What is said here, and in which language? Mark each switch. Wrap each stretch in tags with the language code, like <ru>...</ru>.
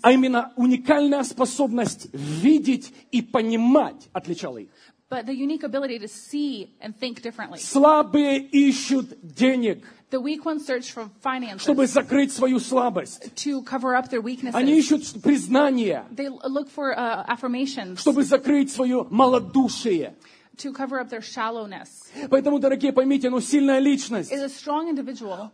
<ru>а именно уникальная способность видеть и понимать отличала их.</ru> <en>But the unique ability to see and think differently.</en> <ru>Слабые ищут денег.</ru> <en>The weak ones search for finances.</en> <ru>Чтобы закрыть свою слабость.</ru> <en>To cover up their weaknesses.</en> <ru>Они ищут признания.</ru> <en>They look for affirmations.</en> <ru>Чтобы закрыть свою малодушие.</ru> <en>To cover up their shallowness.</en> <ru>Поэтому, дорогие, поймите, но сильная личность.</ru> <en>Is a strong individual.</en>